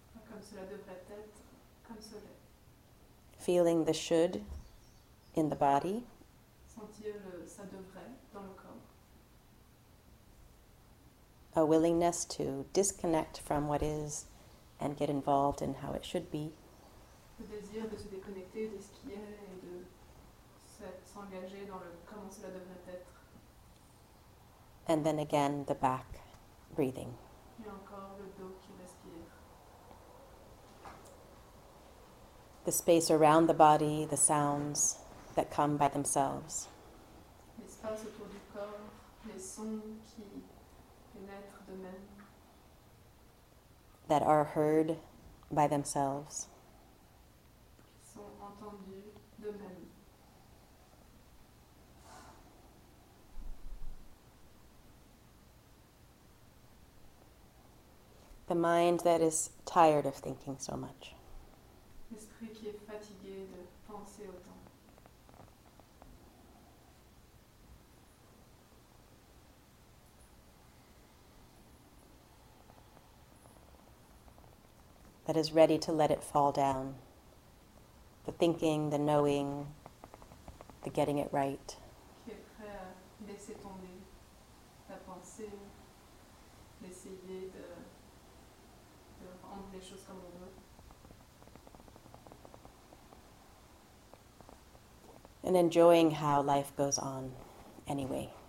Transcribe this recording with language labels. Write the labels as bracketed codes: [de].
[fr] Comme cela devrait être, comme cela. [en] Feeling the should in the body. [fr] Sentir le, ça devrait dans le corps. [en] A willingness to disconnect from what is and get involved in how it should be. [fr] Le désir de se déconnecter de ce qui est et de s'engager dans le comment cela devrait être. [en] And then again, the back. Breathing. [fr] Et encore le dos qui respire. [en] The space around the body, the sounds that come by themselves. [fr] L'espace autour du corps, les sons qui pénètrent d'eux-mêmes. [en] That are heard by themselves. [fr] Qui sont entendus d'eux-mêmes. [en] The mind that is tired of thinking so much. [fr] L'esprit qui est fatigué de penser autant. [en] That is ready to let it fall down. The thinking, the knowing, the getting it right. [fr] Qui est prêt à laisser tomber la pensée, d'essayer de rendre les choses comme on veut. [en] And enjoying how life goes on anyway.